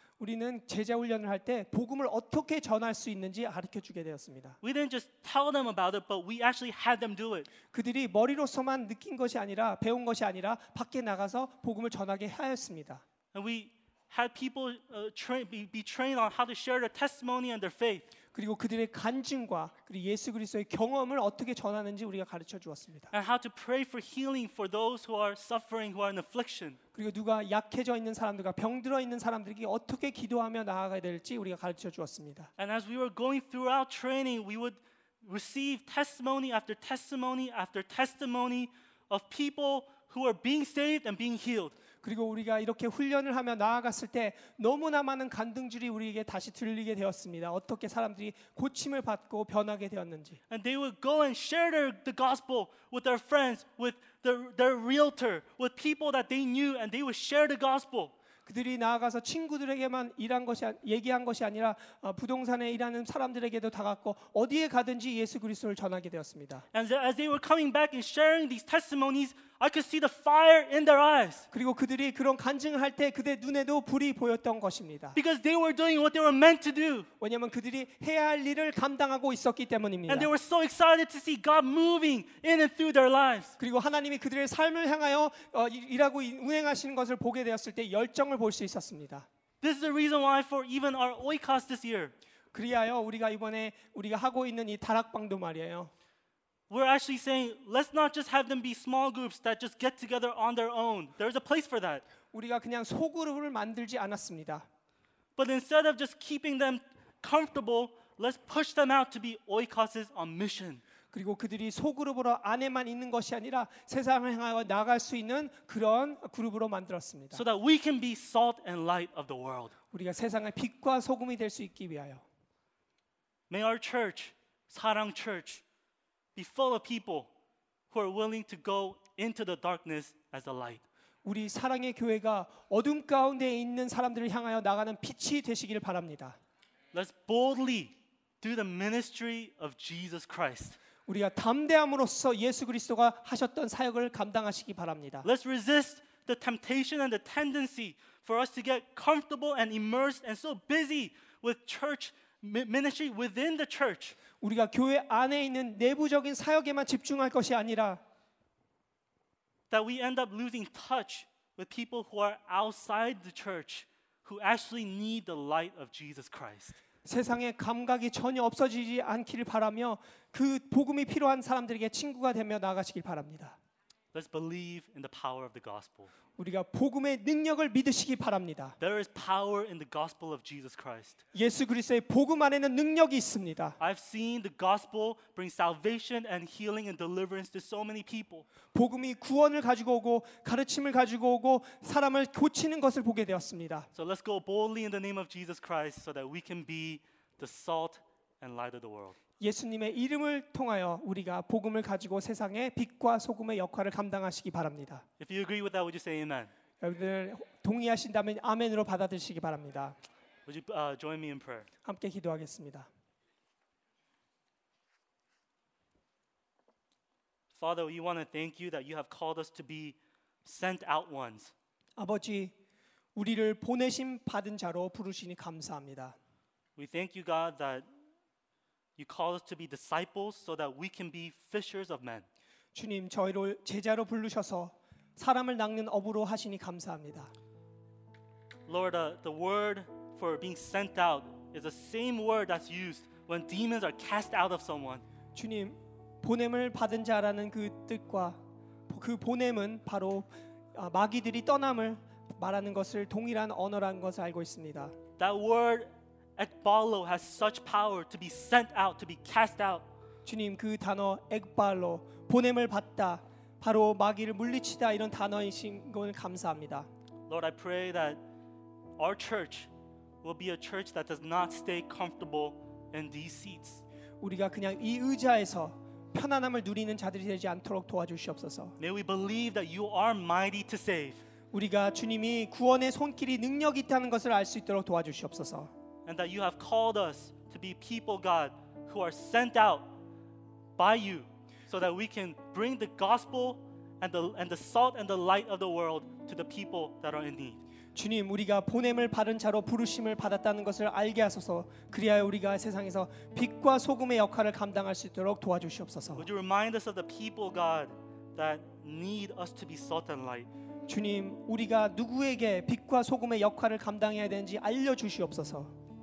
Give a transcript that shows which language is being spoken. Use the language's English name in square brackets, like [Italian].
[Korean] 우리는 제자 훈련을 할 때 복음을 어떻게 전할 수 있는지 가르쳐 주게 되었습니다. [English] We didn't just tell them about it, but we actually had them do it. [Korean] 그들이 머리로서만 느낀 것이 아니라 배운 것이 아니라 밖에 나가서 복음을 전하게 하였습니다. [English] And we had people be trained on how to share their testimony and their faith. [Korean] 그리고 그들의 간증과 그리고 예수 그리스도의 경험을 어떻게 전하는지 우리가 가르쳐 주었습니다. [English] And how to pray for healing for those who are suffering, who are in affliction. [Korean] 그리고 누가 약해져 있는 사람들과 병들어 있는 사람들에게 어떻게 기도하며 나아가야 될지 우리가 가르쳐 주었습니다. [English] And as we were going through our training, we would receive testimony after testimony after testimony of people who are being saved and being healed. [Korean] 그리고 우리가 이렇게 훈련을 하며 나아갔을 때 너무나 많은 간증들이 우리에게 다시 들리게 되었습니다. 어떻게 사람들이 고침을 받고 변하게 되었는지. [English] And they would go and share the gospel with their friends, with their realtor, with people that they knew, and they would share the gospel. [Korean] 그들이 나아가서 친구들에게만 얘기한 것이 아니라 부동산에 일하는 사람들에게도 다가갔고 어디에 가든지 예수 그리스도를 전하게 되었습니다. [English] And as they were coming back and sharing these testimonies, I could see the fire in their eyes. [Korean] 그리고 그들이 그런 간증을 할 때 그들 눈에도 불이 보였던 것입니다. [English] Because they were doing what they were meant to do. [Korean] 왜냐하면 그들이 해야 할 일을 감당하고 있었기 때문입니다. [English] And they were so excited to see God moving in and through their lives. [Korean] 그리고 하나님이 그들의 삶을 향하여 일하고 운행하시는 것을 보게 되었을 때 열정을 볼 수 있었습니다. [English] This is the reason why for even our Oikos this year. [Korean] 그리하여 우리가 이번에 우리가 하고 있는 이 다락방도 말이에요. [English] We're actually saying, let's not just have them be small groups that just get together on their own. There's a place for that. [Korean] 우리가 그냥 소그룹을 만들지 않았습니다. [English] But instead of just keeping them comfortable, let's push them out to be oikoses on mission. [Korean] 그리고 그들이 소그룹으로 안에만 있는 것이 아니라 세상을 향하여 나갈 수 있는 그런 그룹으로 만들었습니다. [English] So that we can be salt and light of the world. [Korean] 우리가 세상의 빛과 소금이 될 수 있기 위하여. [English] May our church, 사랑 church, be full of people who are willing to go into the darkness as a light. [Korean] 우리 사랑의 교회가 어둠 가운데 있는 사람들을 향하여 나가는 빛이 되시기를 바랍니다. [English] Let's boldly do the ministry of Jesus Christ. [Korean] 우리가 담대함으로써 예수 그리스도가 하셨던 사역을 감당하시기 바랍니다. [English] Let's resist the temptation and the tendency for us to get comfortable and immersed and so busy with church ministry within the church. [Korean] 우리가 교회 안에 있는 내부적인 사역에만 집중할 것이 아니라 [English] that we end up losing touch with people who are outside the church who actually need the light of Jesus Christ. [Korean] 세상의 감각이 전혀 없어지지 않기를 바라며 그 복음이 필요한 사람들에게 친구가 되며 나아가시길 바랍니다. [English] Let's believe in the power of the gospel. [Korean] 우리가 복음의 능력을 믿으시기 바랍니다. [English] There is power in the gospel of Jesus Christ. [Korean] 예수 그리스도의 복음 안에는 능력이 있습니다. [English] I've seen the gospel bring salvation and healing and deliverance to so many people. [Korean] 복음이 구원을 가지고 오고 가르침을 가지고 오고 사람을 고치는 것을 보게 되었습니다. [English] So let's go boldly in the name of Jesus Christ so that we can be the salt and light of the world. [Korean] 예수님의 이름을 통하여 우리가 복음을 가지고 세상에 빛과 소금의 역할을 감당하시기 바랍니다. [English] If you agree with that, would you say amen? [Korean] 여러분들 동의하신다면 아멘으로 받아들이시기 바랍니다. [English] Would you join me in prayer? [Korean] 함께 기도하겠습니다. [English] Father, we want to thank you that you have called us to be sent out ones. [Korean] 아버지, 우리를 보내심 받은 자로 부르시니 감사합니다. [English] We thank you, God, that You call us to be disciples so that we can be fishers of men. [Korean] 주님, 저희를 제자로 부르셔서 사람을 낚는 어부로 하시니 감사합니다. [English] Lord, the word for being sent out is the same word that's used when demons are cast out of someone. [Korean] 주님, 보냄을 받은 자라는 그 뜻과 그 보냄은 바로 마귀들이 떠남을 말하는 것을 동일한 언어라는 것을 알고 있습니다. [English] That word Ekbalo has such power to be sent out, to be cast out. [Korean] 주님, 그 단어 Ekbalo, 보냄을 받다, 바로 마귀를 물리치다 이런 단어이신 것을 감사합니다. [English] Lord, I pray that our church will be a church that does not stay comfortable in these seats. [Korean] 우리가 그냥 이 의자에서 편안함을 누리는 자들이 되지 않도록 도와주시옵소서. [English] May we believe that you are mighty to save. [Korean] 우리가 주님이 구원의 손길이 능력 있다는 것을 알 수 있도록 도와주시옵소서. [English] And that you have called us to be people, God, who are sent out by you, so that we can bring the gospel and the salt and the light of the world to the people that are in need. [Korean] 주님, 우리가 보냄을 받은 자로 부르심을 받았다는 것을 알게 하소서. 그리하여 우리가 세상에서 빛과 소금의 역할을 감당할 수 있도록 도와주시옵소서. [English] Would you remind us of the people, God, that need us to be salt and light? [Korean] 주님, 우리가 누구에게 빛과 소금의 역할을 감당해야 되는지 알려 주시옵소서.